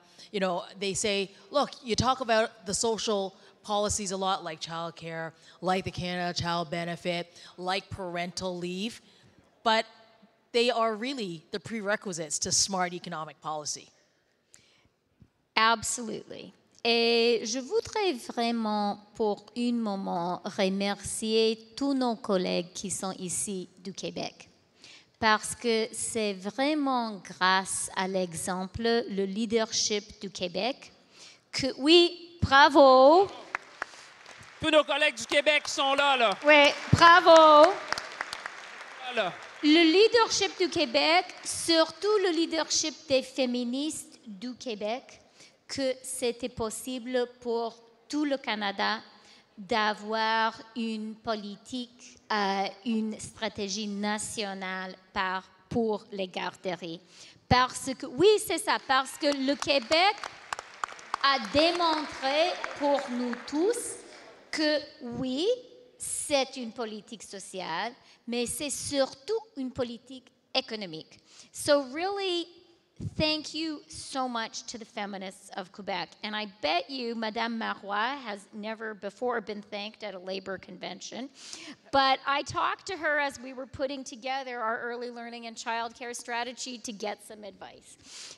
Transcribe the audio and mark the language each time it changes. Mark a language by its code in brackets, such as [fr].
[en] You know, they say, look, you talk about the social policies a lot, like childcare, like the Canada Child Benefit, like parental leave, but they are really the prerequisites to smart economic policy. Absolutely. [fr] Et je voudrais vraiment, pour un moment, remercier tous nos collègues qui sont ici du Québec. Parce que c'est vraiment grâce à l'exemple, le leadership du Québec, que, oui, bravo! Tous nos collègues du Québec sont là, là! Oui, bravo! Voilà. Le leadership du Québec, surtout le leadership des féministes du Québec, que c'était possible pour tout le Canada d'avoir une politique, une stratégie nationale pour les garderies. Parce que, oui, c'est ça, parce que le Québec a démontré pour nous tous que, oui, c'est une politique sociale, mais c'est surtout une politique économique. [en] So really, thank you so much to the feminists of Quebec. And I bet you Madame Marois has never before been thanked at a labor convention. But I talked to her as we were putting together our early learning and childcare strategy to get some advice.